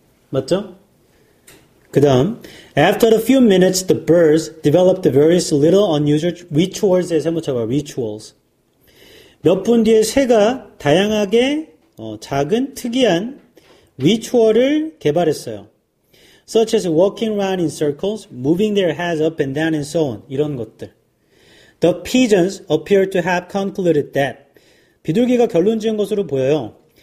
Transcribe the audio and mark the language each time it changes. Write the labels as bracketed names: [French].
[English] 맞죠? 그 다음. After a few minutes, the birds developed various little unusual rituals. [Korean] 세모 쳐봐. [English] Rituals. [Korean] 몇 분 뒤에 새가 다양하게 작은 특이한 리추얼을 개발했어요. [English] Such as walking around in circles, moving their heads up and down and so on. [Korean] 이런 것들. [English] The pigeons appear to have concluded that. [Korean] 비둘기가 결론 지은 것으로 보여요.